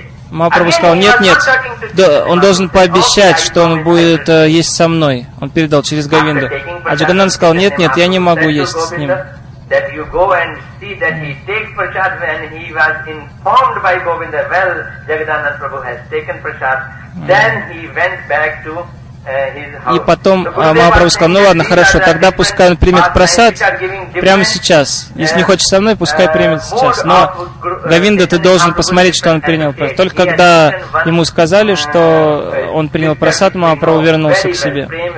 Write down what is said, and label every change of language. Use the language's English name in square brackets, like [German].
[Russian] Махапрабху сказал: «Нет, он должен пообещать, что он будет есть со мной». Он передал через Говинду. А Джагананда сказал: «Нет, я не могу есть с ним». [English] That you go and see that he takes prasad, and he was informed by Govinda, well, Jagadanand Prabhu has taken prasad. Then he went back to his house. [Russian] И потом Махапрабху сказал: «Ну ладно, хорошо, тогда пускай он примет прасад прямо сейчас. Если не хочешь со мной, пускай примет сейчас. Но Говинда, ты должен посмотреть, что он принял прасад». Только когда ему сказали, что он принял прасад, Махапрабху вернулся к себе.